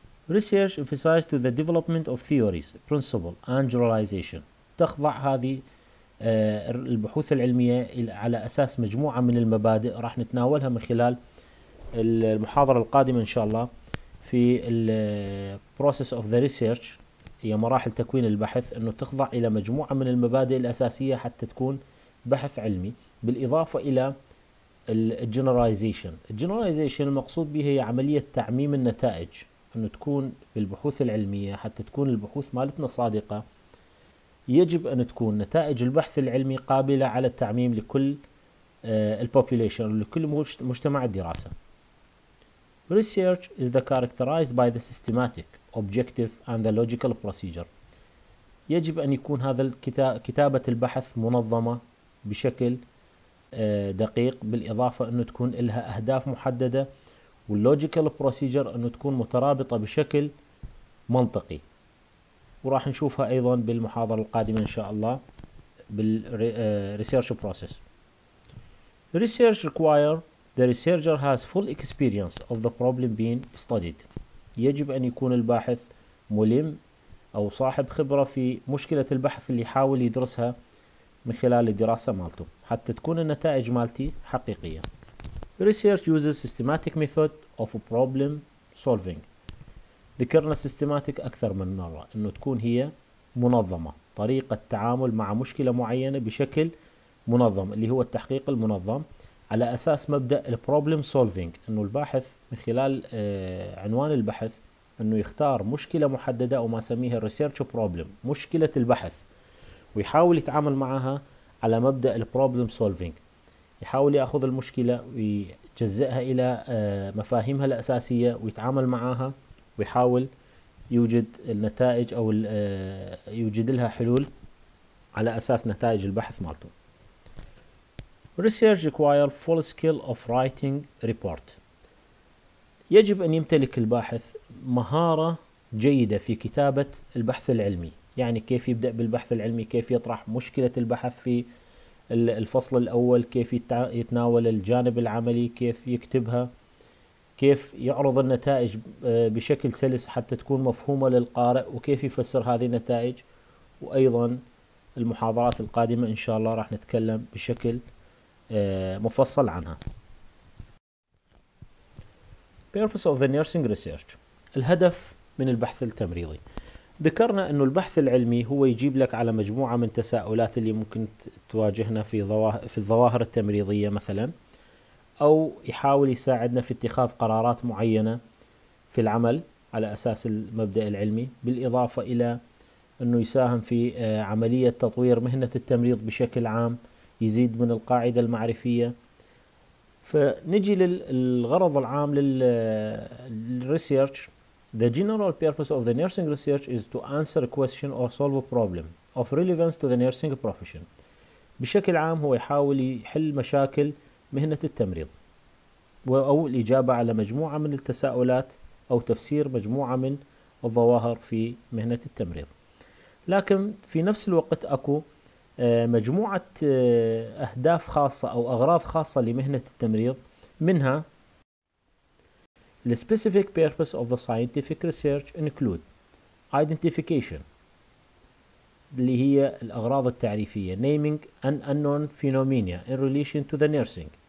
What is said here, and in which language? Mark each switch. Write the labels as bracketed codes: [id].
[en] Research emphasizes to the development of theories, principle, and generalization. [ar] تخضع هذه البحوث العلمية على أساس مجموعة من المبادئ راح نتناولها من خلال المحاضرة القادمة إن شاء الله في الـ [en] process of the research، [ar] هي مراحل تكوين البحث، أنه تخضع إلى مجموعة من المبادئ الأساسية حتى تكون بحث علمي، بالإضافة إلى الجنراليزيشن. الجنراليزيشن المقصود به هي عملية تعميم النتائج، أنه تكون بالبحوث العلمية حتى تكون البحوث مالتنا صادقة، يجب أن تكون نتائج البحث العلمي قابلة على التعميم لكل البوبوليشن، لكل مجتمع الدراسة. [en] Research is the characterized by the systematic, objective and the logical procedure. [ar] يجب أن يكون هذا كتابة البحث منظمة بشكل دقيق، بالإضافة أنه تكون لها أهداف محددة، واللوجيكال بروسيجر أنه تكون مترابطة بشكل منطقي، وراح نشوفها أيضا بالمحاضرة القادمة إن شاء الله بالريسيرش بروسيس. [en] Research require the researcher has full experience of the problem being studied. [ar] يجب أن يكون الباحث ملم أو صاحب خبرة في مشكلة البحث اللي يحاول يدرسها من خلال الدراسة مالته، حتى تكون النتائج مالتي حقيقية. [en] Research uses systematic method of problem solving. [ar] ذكرنا systematic أكثر من مرة، أنه تكون هي منظمة، طريقة تعامل مع مشكلة معينة بشكل منظم، اللي هو التحقيق المنظم على أساس مبدأ [en] problem solving، [ar] أنه الباحث من خلال عنوان البحث أنه يختار مشكلة محددة أو ما سميها [en] research problem، [ar] مشكلة البحث، ويحاول يتعامل معها على مبدأ [en] problem solving، [ar] يحاول يأخذ المشكلة ويجزئها إلى مفاهيمها الأساسية ويتعامل معها ويحاول يوجد النتائج أو يوجد لها حلول على أساس نتائج البحث مالته. [en] Research requires full skill of writing report. [ar] يجب أن يمتلك الباحث مهارة جيدة في كتابة البحث العلمي، يعني كيف يبدأ بالبحث العلمي، كيف يطرح مشكلة البحث في الفصل الأول، كيف يتناول الجانب العملي، كيف يكتبها، كيف يعرض النتائج بشكل سلس حتى تكون مفهومة للقارئ، وكيف يفسر هذه النتائج. وأيضا المحاضرات القادمة إن شاء الله راح نتكلم بشكل مفصل عنها. [en] Purpose of the nursing research، [ar] الهدف من البحث التمريضي. ذكرنا أن البحث العلمي هو يجيب لك على مجموعة من التساؤلات اللي ممكن تواجهنا في الظواهر التمريضية مثلا، أو يحاول يساعدنا في اتخاذ قرارات معينة في العمل على أساس المبدأ العلمي، بالإضافة إلى أنه يساهم في عملية تطوير مهنة التمريض بشكل عام، يزيد من القاعدة المعرفية. فنجي للغرض العام للريسيرش. [en] The general purpose of the nursing research is to answer a question or solve a problem of relevance to the nursing profession. [ar] بشكل عام هو يحاول يحل مشاكل مهنة التمريض، أو الإجابة على مجموعة من التساؤلات، أو تفسير مجموعة من الظواهر في مهنة التمريض. لكن في نفس الوقت أكو مجموعة أهداف خاصة أو أغراض خاصة لمهنة التمريض، منها [en] The specific purpose of the scientific research include identification، [ar] اللي هي الأغراض التعريفية، [en] naming an unknown phenomena in relation to the nursing.